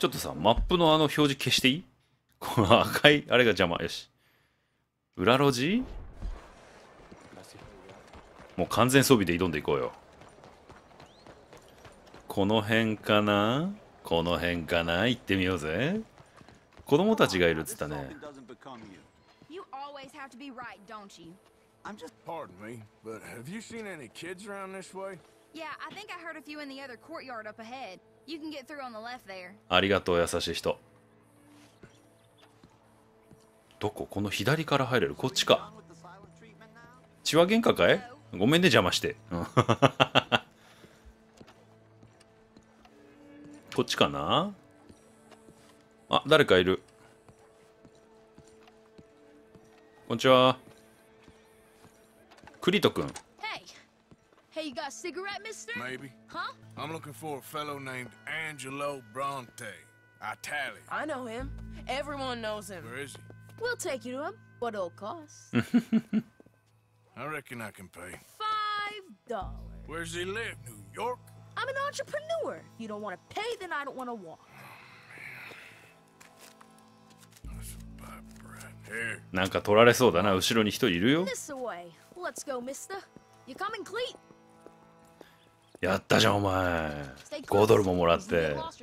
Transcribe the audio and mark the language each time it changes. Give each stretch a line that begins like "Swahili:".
Japanese: ちょっとさ、マップのあの表示消していい？この赤いあれが邪魔。よし、裏路地？もう完全装備で挑んでいこうよ。この辺かな、この辺かな、行ってみようぜ。子供たちがいるって言ったね。
English: right, Pardon me, but have you seen any kids around this way? Yeah, I think I heard a few in the other courtyard up ahead. You can get through on the left there.
Japanese: ありがとう、優しい人。どこ？この左から入れる。こっちか。血は喧嘩かい？ごめんね、邪魔して。こっちかな。あ、誰かいる。こんにちは。クリト君。
English: Hey, you got a cigarette, mister? Maybe. Huh? I'm looking for a fellow named Angelo Bronte. Italian. I know him. Everyone knows him. Where is he? We'll take you to him. What it'll cost. I reckon I can pay. $5. Where does he live? New York? I'm an entrepreneur. If you don't want to pay, then I don't want to walk. Oh, man. Here.
Japanese: なんか取られそうだな。後ろに人いるよ。
English: This way. Let's go, mister. You coming, Cleet?
Japanese: やったじゃんお前、5ドルももらって。